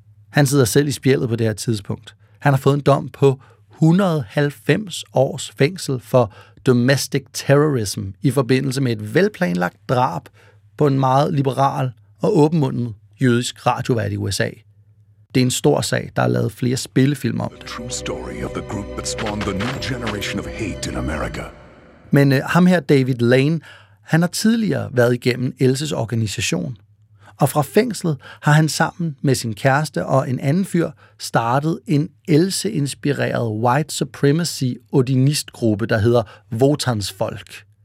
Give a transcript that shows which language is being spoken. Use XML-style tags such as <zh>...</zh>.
<da>Han sidder selv i spjældet på det her tidspunkt. Han har fået en dom på 190 års fængsel for domestic terrorism i forbindelse med et velplanlagt drab på en meget liberal og åbenmundet jødisk radiovært i USA. Det er en stor sag, der er lavet flere spillefilm om det.</da> <en>True story of the group that spawned the new generation of hate in America.</en> <da>Men ham her, David Lane, han har tidligere været igennem Elses organisation. Og fra fængslet har han sammen med sin kæreste og en anden fyr startet en Else-inspireret white supremacy odinistgruppe, der hedder Wotans Folk.</da>